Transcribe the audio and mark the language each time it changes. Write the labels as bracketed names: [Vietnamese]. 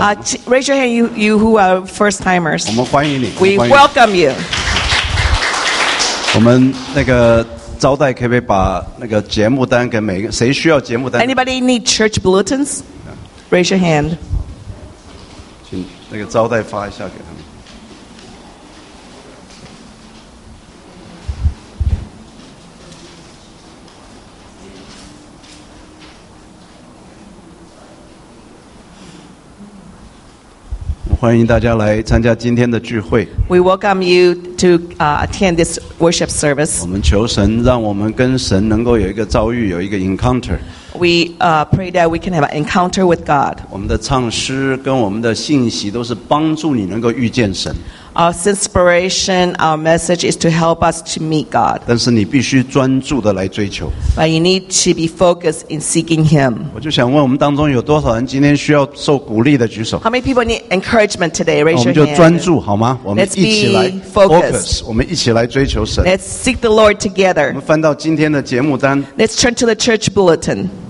[English] Raise your hand, you who are first timers. [Chinese] 我们欢迎你。 [English] We welcome you. [Chinese] 我们那个招待可不可以把那个节目单给每个谁需要节目单 [English] ？Anybody need church bulletins? Raise your hand. [Chinese] 请那个招待发一下给他们。欢迎大家来参加今天的聚会。 [English] We welcome you to attend this worship service. [Chinese] 我们求神让我们跟神能够有一个遭遇，有一个 encounter. [English] We pray that we can have an encounter with God. [Chinese] 我们的唱诗跟我们的信息都是帮助你能够遇见神。 [English] Our inspiration, our message is to help us to meet God. [Chinese] 但是你必须专注的来追求。 [English] But you need to be focused in seeking Him. [Chinese] 我就想问我们当中有多少人今天需要受鼓励的举手。 [English] How many people need encouragement today? Raise your hand. [Chinese] 我们就专注好吗？我们一起来 [English] focus. [Chinese] 我们一起来追求神。 [English] Let's seek the Lord together. [Chinese] 我们翻到今天的节目单。 [English] Let's turn to the church bulletin.